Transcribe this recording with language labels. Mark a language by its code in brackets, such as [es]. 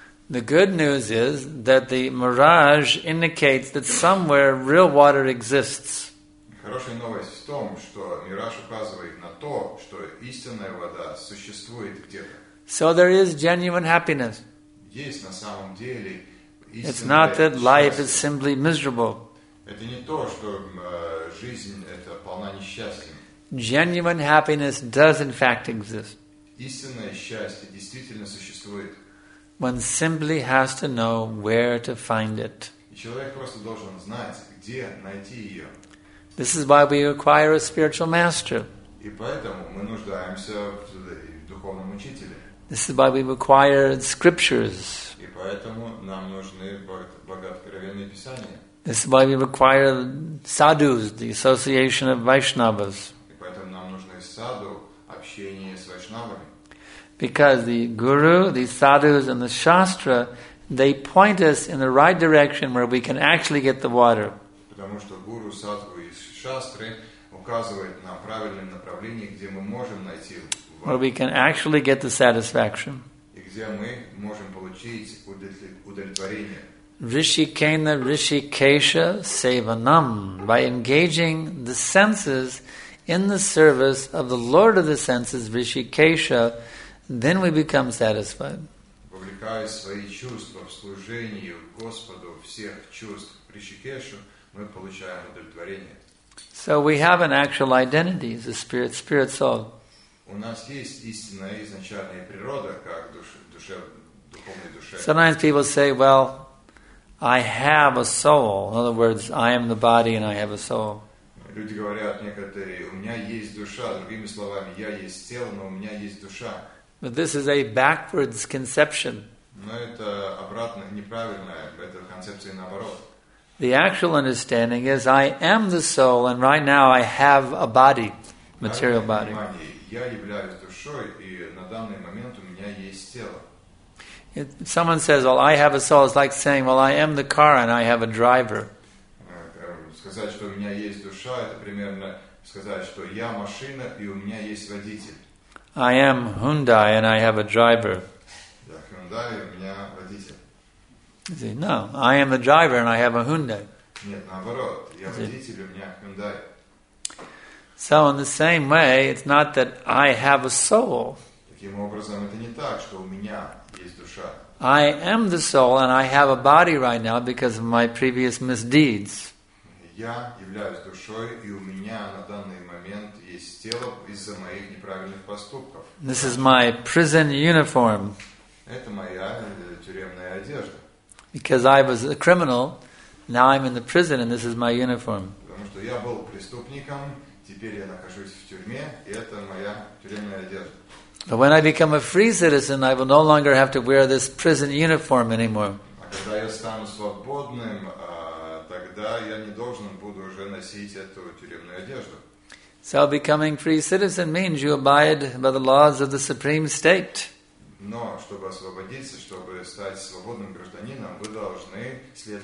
[en] The good news is that the mirage indicates that somewhere real water exists. [ru] хорошая новость в том, что мираж указывает на то, что истинная вода существует где-то. [en] So there is genuine happiness. [ru] Есть на самом деле истинная. [en] It's not that life is simply miserable. [ru] Это не то, что жизнь это полна несчастьем. [en] Genuine happiness does in fact exist. [ru] Истинное счастье действительно существует. [en] One simply has to know where to find it. [ru] И человек просто должен знать, где найти ее. [en] This is why we require a spiritual master. [ru] И поэтому мы нуждаемся в духовном учителе. [en] This is why we require scriptures. [ru] И поэтому нам нужны богооткровенные писания. [en] This is why we require sadhus, the association of Vaishnavas. [ru] И поэтому нам нужны саду, общение с Вайшнавами. [en] Because the guru, the sadhus, and the shastra, they point us in the right direction where we can actually get the water. [ru] Потому что гуру, садху и шастры указывают на правильное направление, где мы можем найти воду. [en] Where we can actually get the satisfaction. [ru] И где мы можем получить удовлетворение. [sa] Rishikena Rishikesha Sevanam. [en] By engaging the senses in the service of the Lord of the senses, Rishikesha, then we become satisfied. [ru] Вовлекая свои чувства в служение Господу всех чувств Ришикешу, мы получаем удовлетворение. [en] So we have an actual identity as a spirit soul. [ru] У нас есть истинная изначальная природа, как духовная душа. [en] Sometimes people say, well, I have a soul. In other words, I am the body and I have a soul. [ru] Люди говорят некоторые, у меня есть душа. Другими словами, я есть тело, но у меня есть душа. [en] But this is a backwards conception. [ru] Но это обратно, неправильная, это концепция наоборот. [en] The actual understanding is I am the soul and right now I have a body, material body. [ru] Я являюсь душой и на данный момент у меня есть тело. [en] If someone says, well, I have a soul, it's like saying, well, I am the car and I have a driver. [ru] Сказать, что у меня есть душа, это примерно сказать, что я машина и у меня есть водитель. [en] I am Hyundai and I have a driver. [ru] Я Hyundai, у меня водитель. [en] You see, no, I am the driver and I have a Hyundai. [ru] Нет, наоборот, я водитель, у меня Hyundai. [en] So in the same way, it's not that I have a soul. [ru] Таким образом, это не так, что у меня есть душа. [en] I am the soul and I have a body right now because of my previous misdeeds. [ru] Я являюсь душой, и у меня на данный момент есть тело из-за моих неправильных поступков. [en] This is my prison uniform. [ru] Это моя тюремная одежда. [en] Because I was a criminal, now I'm in the prison and this is my uniform. [ru] Потому что я был преступником, теперь я нахожусь в тюрьме, и это моя тюремная одежда. [en] But when I become a free citizen, I will no longer have to wear this prison uniform anymore. [ru] А когда я стану свободным, тогда я не должен буду уже носить эту тюремную одежду. [en] So becoming free citizen means you abide by the laws of the supreme state. [ru] Но чтобы освободиться, чтобы стать свободным гражданином, вы должны следовать